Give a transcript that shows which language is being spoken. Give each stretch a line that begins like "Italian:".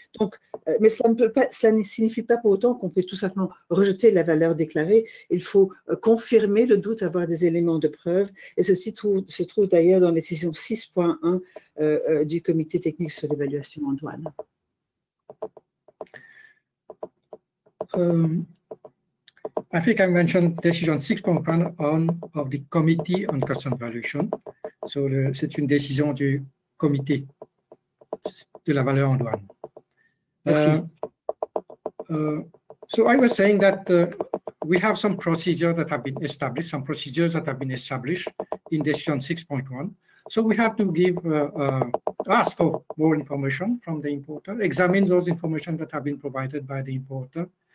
French: Donc, mais ça ne signifie pas pour autant qu'on peut tout simplement rejeter la valeur déclarée. Il faut confirmer le doute, avoir des éléments de preuve. Et ceci se trouve d'ailleurs dans la décision 6.1 du Comité technique sur l'évaluation en douane.
English: I think I mentioned decision 6.1 of the Committee on Customs Valuation.
French: So c'est une décision du comité de la valeur en douane.
English: So I was saying that we have some procedures that have been established, in decision 6.1. So we have to give ask for more information from the importer, examine those information that have been provided by the importer,